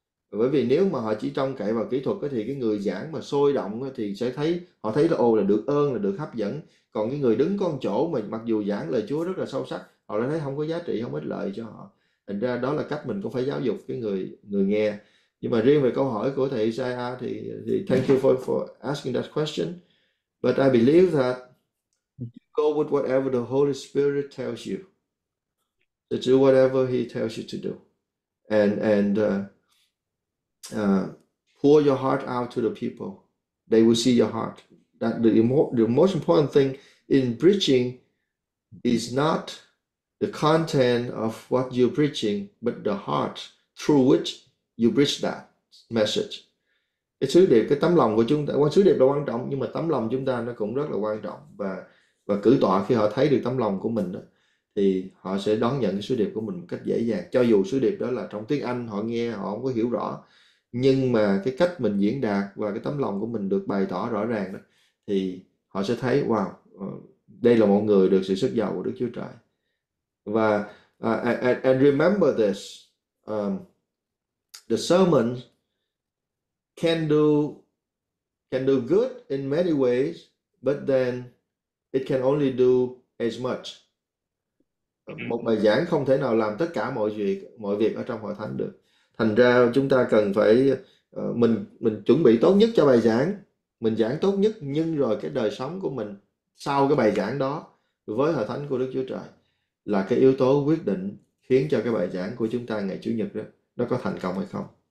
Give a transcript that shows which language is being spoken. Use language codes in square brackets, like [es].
[vi] Bởi vì nếu mà họ chỉ trông cậy vào kỹ thuật thì cái người giảng mà sôi động thì sẽ thấy, họ thấy là ồ là được ơn, là được hấp dẫn. Còn cái người đứng con chỗ mà mặc dù giảng lời Chúa rất là sâu sắc, họ lại thấy không có giá trị, không ích lợi cho họ. Thành ra đó là cách mình cũng phải giáo dục cái người người nghe. Nhưng mà riêng về câu hỏi của thầy Isaiah thì [en] thank you for asking that question. But I believe that you go with whatever the Holy Spirit tells you. To do whatever he tells you to do. And pour your heart out to the people. They will see your heart. That the most important thing in preaching is not the content of what you're preaching, but the heart through which you preach that message. [vi] Cái sứ điệp, cái tấm lòng của chúng ta, quan sứ điệp là quan trọng, nhưng mà tấm lòng chúng ta nó cũng rất là quan trọng. Và cử tọa khi họ thấy được tấm lòng của mình đó, thì họ sẽ đón nhận cái sứ điệp của mình một cách dễ dàng. Cho dù sứ điệp đó là trong tiếng Anh, họ nghe họ không có hiểu rõ, nhưng mà cái cách mình diễn đạt và cái tấm lòng của mình được bày tỏ rõ ràng đó, thì họ sẽ thấy wow, đây là một người được sự sức giàu của Đức Chúa Trời. [en] Và and remember this, the sermon can do good in many ways, but then it can only do as much. [vi] Một bài giảng không thể nào làm tất cả mọi việc ở trong hội thánh được. Thành ra chúng ta cần phải mình chuẩn bị tốt nhất cho bài giảng, mình giảng tốt nhất, nhưng rồi cái đời sống của mình sau cái bài giảng đó với hội thánh của Đức Chúa Trời là cái yếu tố quyết định khiến cho cái bài giảng của chúng ta ngày Chủ nhật đó nó có thành công hay không.